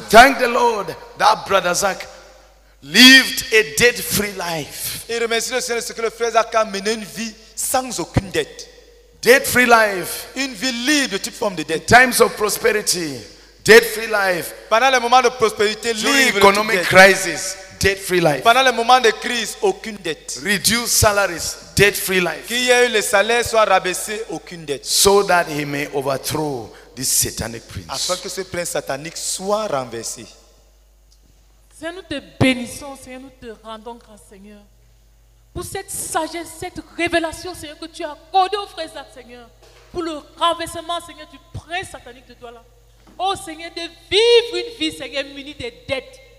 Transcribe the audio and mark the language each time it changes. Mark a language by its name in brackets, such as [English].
[English] To thank the Lord that Brother Zach lived a debt free life. [French] Et remercie le Seigneur ce que le frère Zach a mené une vie sans aucune dette. [English] Debt free life. [French] Une vie libre de toute forme de dette. [English] In times of prosperity, debt free life. [French] Pendant les moments de prospérité, libre de toute dette. [English] Crisis. Debt free life. [French] Pendant les moments de crise, aucune dette. [English] Reduce salaries. Debt free life. [French] Qu'il y ait eu les salaires soient rabaissés, aucune dette. [English] So that he may overthrow this satanic prince. [French] Afin que ce prince satanique soit renversé. Seigneur, nous te bénissons, Seigneur, nous te rendons grâce, Seigneur, pour cette sagesse, cette révélation, Seigneur, que tu as accordée au frère Zach, Seigneur, pour le renversement, Seigneur, du prince satanique de toi-là. Oh Seigneur, de vivre une vie, Seigneur, munie de dettes.